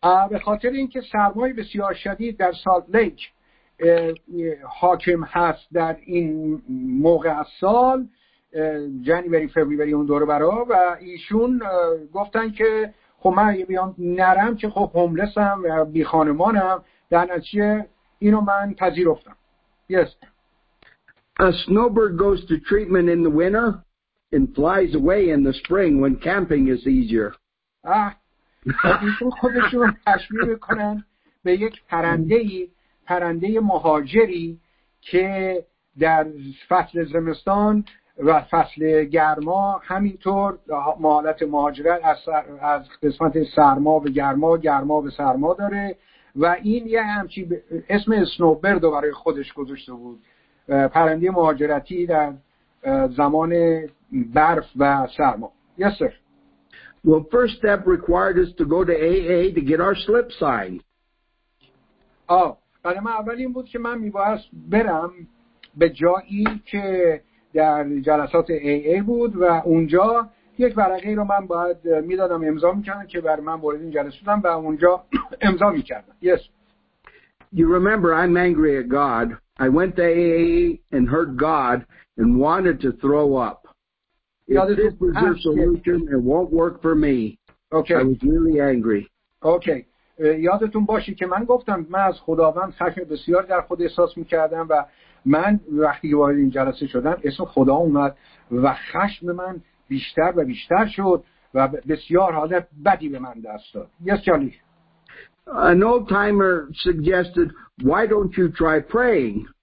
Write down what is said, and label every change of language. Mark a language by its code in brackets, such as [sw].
[fa] به خاطر اینکه سرمای بسیار شدید در سالت لیک حاکم هست در این موقع سال، جنوری فوریه اون دوره برا، و ایشون گفتن که خب من بیام نرم که خب هوملسم و بی خانمانم، در نتیجه اینو من پذیرفتم. [en] Yes. A snowbird goes to treatment in the winter and flies away in the spring when camping is easier. [fa] آه، ایشون خودشون تشبیه میکنن به یک پرنده مهاجری که در فصل زمستان و فصل گرما همینطور حالت مهاجرت از قسمت سرما به گرما، گرما به سرما داره، و این یه همچی اسم سنوبرد رو برای خودش گذاشته بود، پرنده مهاجرتی در زمان برف و سرما. [en] Yes, sir. Well, First Step required us to go to AA to get our slip signed. [fa] برای من اول این بود که من میبایست برم به جایی که در جلسات AA بود، و اونجا یک ورقه رو من باید میدادم امضا میکردم که برای من وارد این جلسه شدم و اونجا امضا میکردم. [en] Yes. You remember I'm angry at God. I went to AA and heard God and wanted to throw up. If this was your solution, it won't work for me. Okay. I was really angry. Okay. [fa] یادتون باشه که من گفتم من از خداوند خشم بسیار در خود احساس میکردم، و من وقتی وارد این جلسه شدم اسم خدا اومد و خشم من بیشتر و بیشتر شد و بسیار حالت بدی به من دست داد. [en] Yes, Charlie. An old timer suggested, why don't you try praying?